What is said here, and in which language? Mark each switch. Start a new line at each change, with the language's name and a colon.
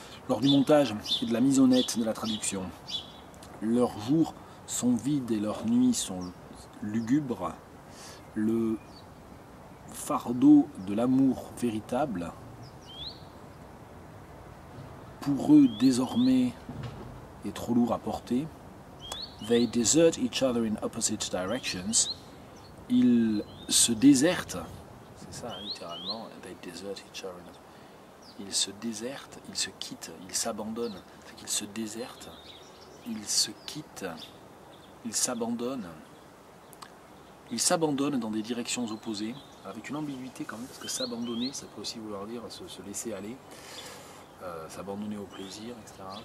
French: Lors du montage et de la mise au net de la traduction, leurs jours sont vides et leurs nuits sont lugubres. Le fardeau de l'amour véritable, pour eux désormais, est trop lourd à porter.
English: They desert each other in opposite directions.
French: Ils se désertent. C'est ça, littéralement.
English: They desert each other in opposite.
French: Ils se désertent, ils se quittent, ils s'abandonnent. C'est qu'ils se désertent, ils se quittent, ils s'abandonnent. Ils s'abandonnent dans des directions opposées, avec une ambiguïté quand même, parce que s'abandonner, ça peut aussi vouloir dire se laisser aller, s'abandonner au plaisir, etc.